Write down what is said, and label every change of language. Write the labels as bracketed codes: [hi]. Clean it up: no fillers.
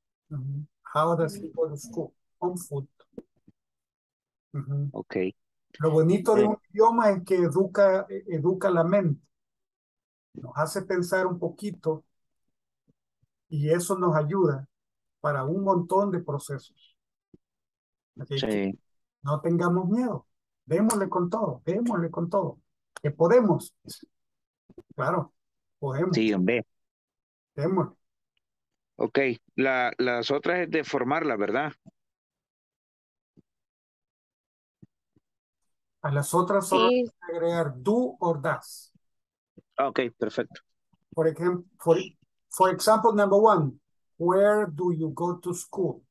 [en] Mm-hmm. How does he go to school? On foot. Mm-hmm. Okay. [es] Lo bonito de un idioma es que educa la mente. Nos hace pensar un poquito y eso nos ayuda para un montón de procesos. Así sí. No tengamos miedo. Démosle con todo. Que podemos. Claro, podemos. Sí, hombre. Démosle. Ok, las otras es de formarla, ¿verdad? A las otras son agregar [en] do or does. [es] Ok, perfecto. [en] For example, number one, where do you go to school?